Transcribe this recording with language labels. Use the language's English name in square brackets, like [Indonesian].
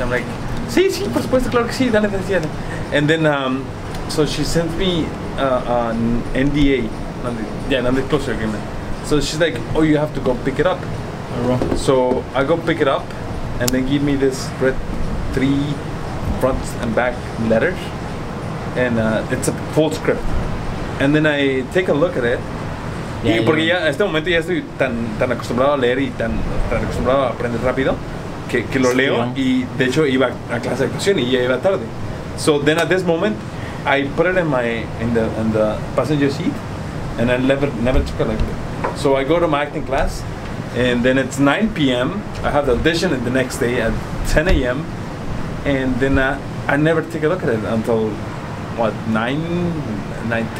[English] I'm like, [Spanish] sí, sí, por supuesto, claro que sí, dale, dale. [English] And then, so she sent me an NDA, non-disclosure agreement. So she's like, oh, you have to go pick it up. So I go pick it up, and they give me this red three front and back letters, and it's a full script. And then I take a look at it. [Spanish] Yeah, y porque ya este momento ya estoy tan acostumbrado a leer y tan acostumbrado a aprender rápido que lo leo, y de hecho iba a clase de actuación y ya iba tarde. [English] So then at this moment I put it in the passenger seat, and I never took it like that. So I go to my acting class, and then it's 9 p.m. I have the audition the next day at 10 a.m. and then I never take a look at it until what, 9:10.